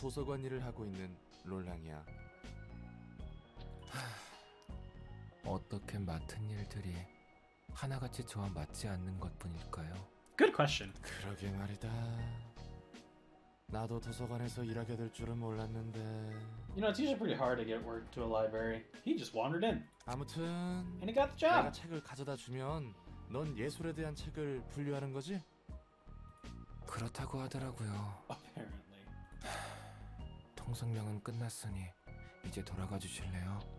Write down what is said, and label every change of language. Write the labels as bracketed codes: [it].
[ko] 도서관 일을 하고 있는 롤랑이야. 어떻게 맡은 일들이 하나같이 저와 맞지 않는 것뿐일까요? [en] Good question. [ko] 그러게 말이다. 나도 도서관에서 일하게 될 줄은 몰랐는데. [en] You know, it's usually pretty hard to get work to a library. He just wandered in. [ko] 아무튼. [en] And he got the job. [ko] 내가 책을 가져다 주면 넌 예술에 대한 책을 분류하는 거지? 그렇다고 하더라고요. [en] Apparently. [ko] 통성명은 끝났으니 이제 돌아가 주실래요?